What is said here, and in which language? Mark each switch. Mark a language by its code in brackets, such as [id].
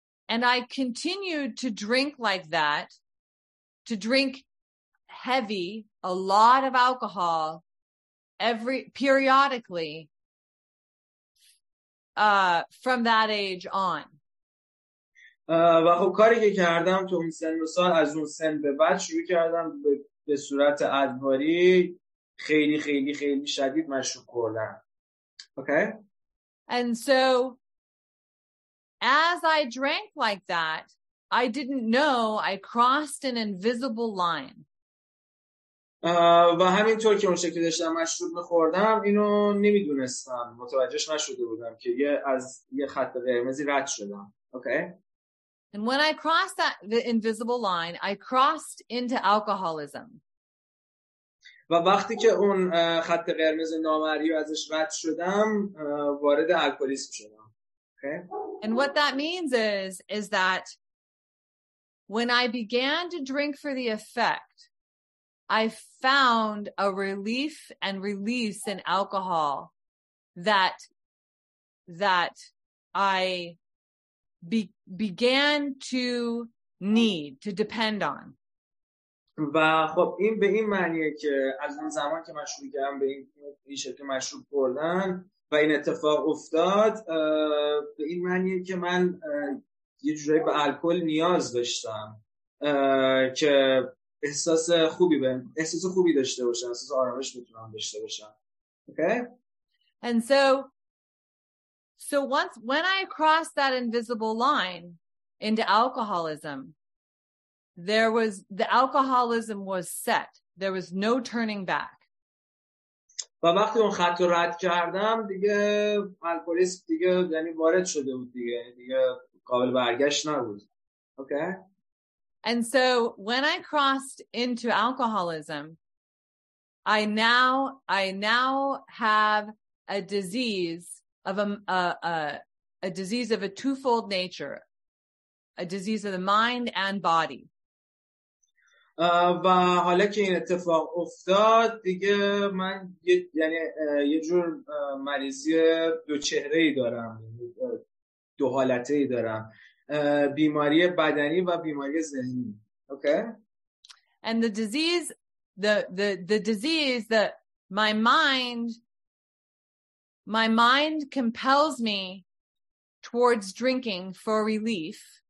[en] And I continued to drink like that, to drink heavy, a lot of alcohol periodically from that age on. [fa] و خب کاری که کردم تو اون سن و سال از اون سن به بعد شروع کردم به صورت ادواری خیلی خیلی خیلی شدید مشروب خوردن. [en] Okay. And so as I drank like that, I didn't know I crossed an invisible line. [fa] و همینطور که اون شکلی داشتم مشروب می‌خوردم اینو نمی‌دونستم، متوجهش نشده بودم که یه خط قرمزی رد شدم. [en] Okay. And when I crossed the invisible line, I crossed into alcoholism. [fa] و وقتی که اون خط قرمز نامرئی رو ازش رد شدم وارد الکلیسم شدم. [en] Okay. And what that means is that when I began to drink for the effect, I found a relief and release in alcohol that I began to need, to depend on. [fa] و خب این به این معنیه که از اون زمان که مشروب کردم به این شکل مشروب خوردن و این اتفاق افتاد به این معنیه که من یه جورایی به الکل نیاز داشتم که احساس خوبی داشته باشم، احساس آرامش میتونم داشته باشم. [en] Okay. And so once when I crossed that invisible line into alcoholism, there was the alcoholism was set. There was no turning back. [fa] و وقتی اون خط رو رد کردم دیگه الکلیسم دیگه یعنی وارد شده بود دیگه قابل برگشت نبود. [en] Okay. And so when I crossed into alcoholism, I now have a disease of a disease of a twofold nature, a disease of the mind and body. [fa] و حالا که این اتفاق افتاد دیگه من یه جور مریضی دو چهره ای دارم، دو حالته ای دارم، بیماری بدنی و بیماری ذهنی. [en] Okay. And the disease, the disease that my mind compels me towards drinking for relief.